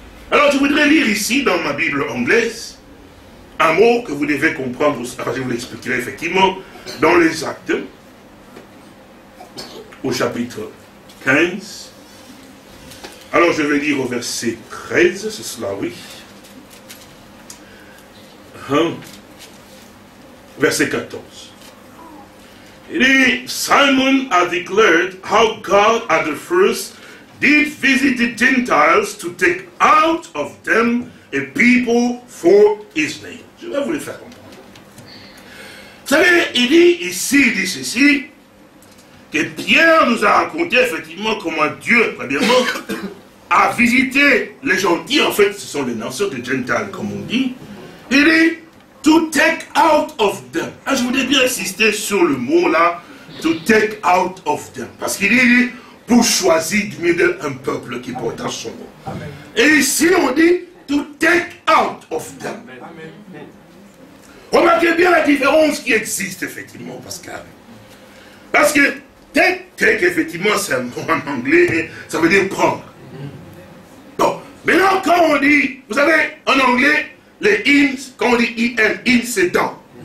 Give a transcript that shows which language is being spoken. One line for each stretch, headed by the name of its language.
French: Alors, je voudrais lire ici dans ma Bible anglaise. Un mot que vous devez comprendre, je vous l'expliquerai effectivement, dans les Actes, au chapitre 15. Alors je vais lire au verset 13, c'est cela, oui. Verset 14. Il dit,
English: Simon a declared how God at the first did visit the Gentiles to take out of them a people for his name.
French: Je vais vous le faire comprendre. Vous savez, il dit ceci, que Pierre nous a raconté effectivement comment Dieu, premièrement, a visité les gentils, en fait, ce sont les nations, les gentils, comme on dit. Il dit,
English: to take out of them.
French: Alors, je voudrais bien insister sur le mot là,
English: to take out of them.
French: Parce qu'il dit, pour choisir du milieu un peuple qui porte son nom. Amen. Et ici, on dit,
English: to take out of them.
French: Amen. Remarquez bien la différence qui existe, effectivement, Pascal. Parce que take, effectivement, c'est un mot en anglais, ça veut dire prendre. Bon, maintenant, quand on dit, vous savez, en anglais, les in, quand on dit in, in, c'est dans.